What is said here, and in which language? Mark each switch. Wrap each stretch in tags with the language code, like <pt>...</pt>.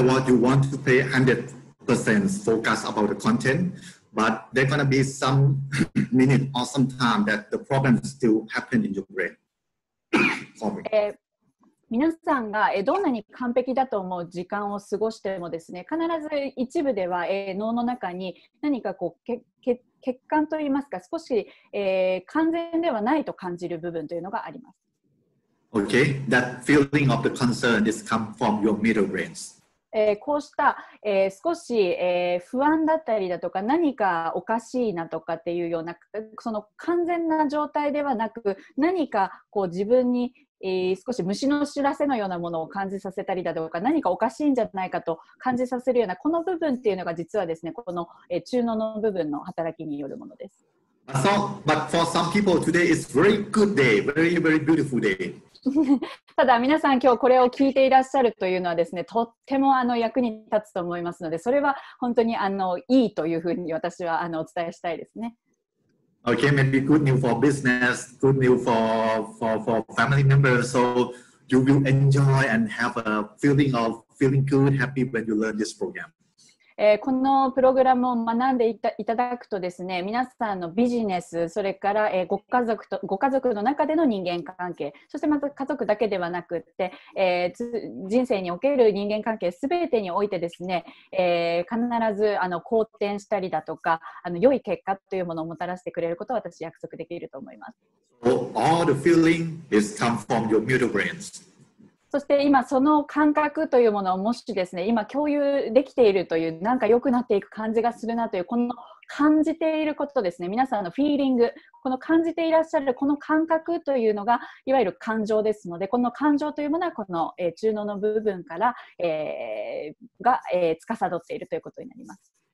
<en>No matter what, you want to pay 100% focus about the content. But there's going to be some minute or some time that the problem still happens in your brain.</en> <ja>皆さんがどんなに完璧だと思う時間を過ごしてもですね、必ず一部では脳の中に何かこう欠陥といいますか、少し完全ではないと感じる部分というのがあります。</ja> <en>Okay, that feeling of the concern is come from your middle brains.</en> <ja>こうした少し不安だったりだとか、何かおかしいなとかっていうような、その完全な状態ではなく、何かこう自分に少し虫の知らせのようなものを感じさせたりだとか、何かおかしいんじゃないかと感じさせるような、この部分っていうのが実はですね、この中脳の部分の働きによるものです。</ja> <en>So, but for some people today is very good day, very very beautiful day.</en> <ja>ただ皆さん今日これを聞いていらっしゃるというのはですね、とっても役に立つと思いますので、それは本当にいいというふうに私はお伝えしたいですね。</ja> <en>Okay, maybe good news for business, good news for family members. So you will enjoy and have a feeling of feeling good, happy when you learn this program.</en> <ja>このプログラムを学んでいただくとですね、皆さんのビジネス、それから、ご家族の中での人間関係、そしてまた家族だけではなくって、人生における人間関係すべてにおいてですね、必ず好転したりだとか、良い結果というものをもたらしてくれることを私約束できると思います。</ja> <en>So, all the feeling is come from your middle brains.</en> <ja>そして今その感覚というものをもしですね、今共有できているという、なんか良くなっていく感じがするなという、この感じていることですね、皆さんのフィーリング、この感じていらっしゃるこの感覚というのがいわゆる感情ですので、この感情というものはこの中脳の部分から、が、司っているということになります。</ja>